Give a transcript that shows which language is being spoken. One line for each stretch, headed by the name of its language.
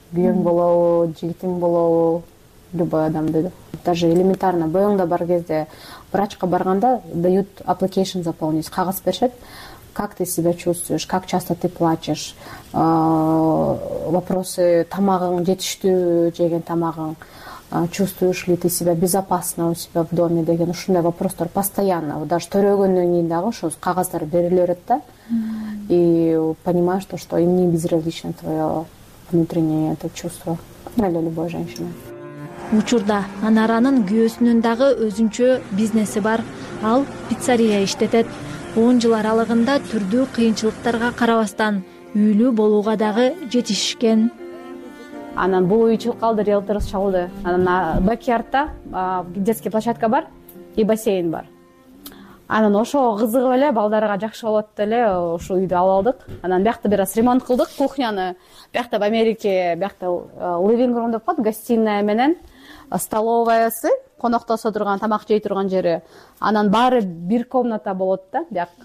Kyrgyz: Күйөң болобу, жигитиң болобу, любой адамды.
Russian: Даже элементарно
Kyrgyz: БМ-да бар кезде врачка барганда
Russian: дают application заполнить,
Kyrgyz: кагаз беришет.
Russian: Как ты себя чувствуешь, как часто ты плачешь, вопросы
Kyrgyz: тамагың, жетиштүү жеген тамагың,
Russian: чувствуешь ли ты себя безопасно у себя в доме,
Kyrgyz: деген ушундай вопростор постоянно, даже төрөгөндөн кийин дагы ушул кагаздар берилерет да,
Russian: и понимаешь то, что им не безразлично твое внутреннее это чувство для любой женщины.
Kyrgyz: Учурда Анаранын күйөөсүнүн дагы өзүнчө бизнеси бар, ал пиццерия иштетет. 10 жыл аралыгында түрдүү кыйынчылыктарга карабастан үйлүү болууга дагы жетишкен. Анан бул үй чыгып калды, риэлтор чалды. Анан бакиартта
Russian: детский площадка
Kyrgyz: бар
Russian: и бассейн
Kyrgyz: бар. Анан ошого кызыгып эле балдарга жакшы болот деле ушул үйдү алып алдык. Анан биякта бир аз ремонт кылдык кухняны. Биякта
Russian: в Америке,
Kyrgyz: биякта
English: living room
Kyrgyz: деп коет, гостиная менен столовоясы. Коноктосо турган, тамак жей турган жери. Анан баары бир комната болот да.